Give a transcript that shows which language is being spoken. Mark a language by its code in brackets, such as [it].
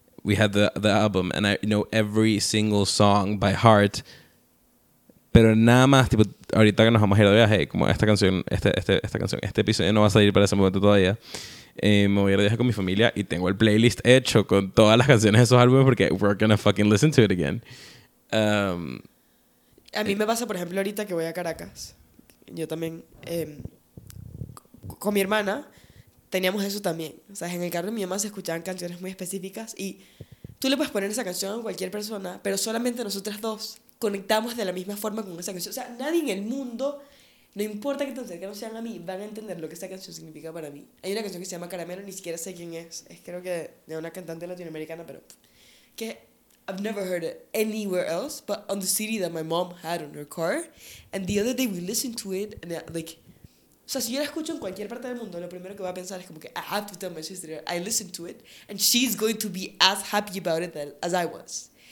[en] We had the album, and I know every single song by heart. [es] Pero nada más, tipo, ahorita que nos vamos a ir de viaje, como esta canción, esta canción, este episodio no va a salir para ese momento todavía. Me voy a ir de viaje con mi familia y tengo el playlist hecho con todas las canciones de esos álbumes porque [en] we're gonna fucking listen to it again. [es] A mí me pasa, por ejemplo, ahorita que voy a Caracas. Yo también, con mi hermana... Teníamos eso también. O sea, en el carro de mi mamá se escuchaban canciones muy específicas y tú le puedes poner esa canción a cualquier persona, pero solamente nosotras dos conectamos de la misma forma con esa canción. O sea, nadie en el mundo No importa que tan cerca no sean a mí, van a entender lo que esta canción significa para mí. Hay una canción que se llama Caramelo, ni siquiera sé quién es. Es creo que de una cantante latinoamericana, pero... [en] que I've never heard it anywhere else, but on the CD that my mom had on her car. And the other day we listened to it, and it, like... [es] O sea, si yo la escucho en cualquier parte del mundo, lo primero que va a pensar es como que [en] I have to tell my sister I listened to it, and she's going to be as happy about it as I was.